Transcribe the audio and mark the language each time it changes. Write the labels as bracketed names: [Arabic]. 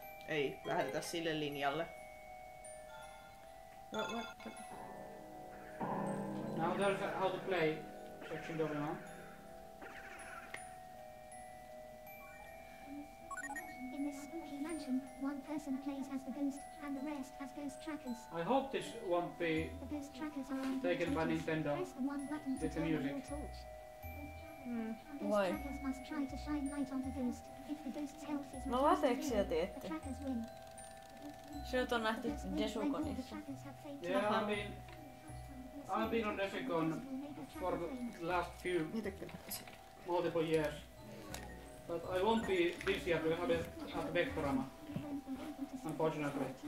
[Finnish] Ei, lähdetä sille linjalle. [English] Now there's how to play section going on. In this spooky mansion, one person plays as the ghost and the rest as ghost trackers. I hope this won't be the ghost trackers are taken by Nintendo. Press the one button to turn music. On your torch. Why? Ghost trackers must try to shine light on the ghost. If the ghost's health is no, reduced to zero, the trackers win. [Finnish] Sinut on nähty Desukonissa. [English] Yeah, I've been on Desukon for the last few multiple years. But I won't be this year because I've been at the Vectorama, unfortunately.